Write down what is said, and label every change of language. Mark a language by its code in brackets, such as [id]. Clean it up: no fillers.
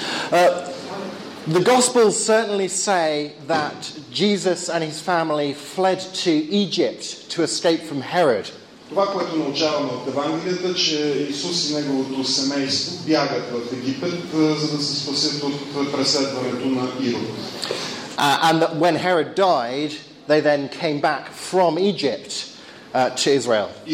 [en] The Gospels certainly say that Jesus and his family fled to Egypt to escape from Herod. [bg] Това, което научаваме от Евангелията, че Исус и неговото семейство бягат в Египет, за да се спасят от преследването на Ирод. [en] And that when Herod died, they then came back from Egypt to Israel.